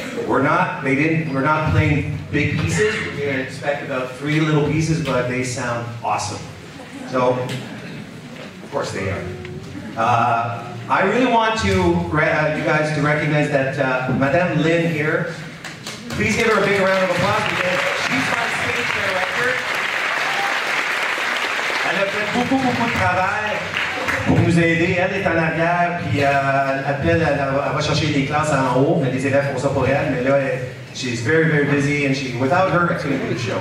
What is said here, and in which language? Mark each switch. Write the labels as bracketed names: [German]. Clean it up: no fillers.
[English] We're not playing big pieces. We're gonna expect about 3 little pieces, but they sound awesome. So, of course they are. I really want you guys to recognize that Madame Lynn here, please give her a big round of applause because she's my stage director. [French] Elle a fait beaucoup, beaucoup de travail pour nous aider. Elle est en arrière, puis elle va chercher des classes en haut, mais les élèves font ça pour elle. Mais là, [English] she's very, very busy, and she, without her, I couldn't do the show.